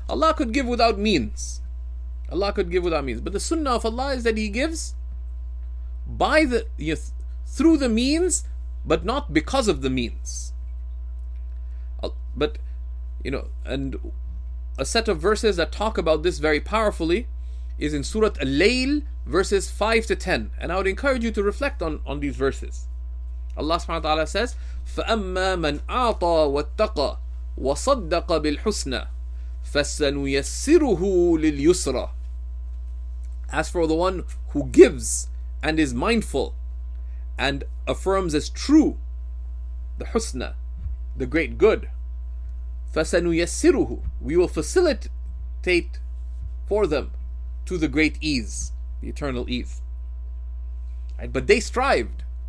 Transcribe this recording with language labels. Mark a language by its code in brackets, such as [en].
[en] Allah could give without means. Allah could give without means. But the sunnah of Allah is that He gives by the through the means, but not because of the means. But, you know, and a set of verses that talk about this very powerfully is in Surah Al-Layl, verses 5-10. And I would encourage you to reflect on these verses. Allah subhanahu wa ta'ala says, [ar] فَأَمَّا مَنْ أَعْطَى وَاتَّقَى وَصَدَّقَ بِالْحُسْنَى فَسَنُيَسِّرُهُ لِلْيُسْرَى. [en] As for the one who gives and is mindful and affirms as true the husna, the great good, [ar] فَسَنُيَسِّرُهُ, [en] we will facilitate for them to the great ease, the eternal ease. Right? But they strived.